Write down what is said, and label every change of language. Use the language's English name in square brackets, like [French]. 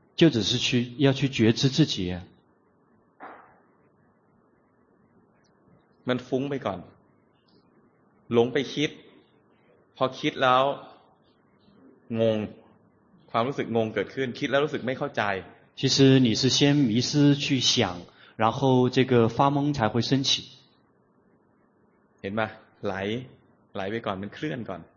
[Chinese] 就只是去要去觉知自己。 [Thai] มันฟุ้งไปก่อนหลงไปคิดพอคิดแล้วงงความรู้สึกงงเกิดขึ้นคิดแล้วรู้สึกไม่เข้าใจ [Chinese] 其实你是先迷失去想然后这个发懵才会升起 [Thai] เห็นมั้ยไหลไปก่อนมันเคลื่อนก่อน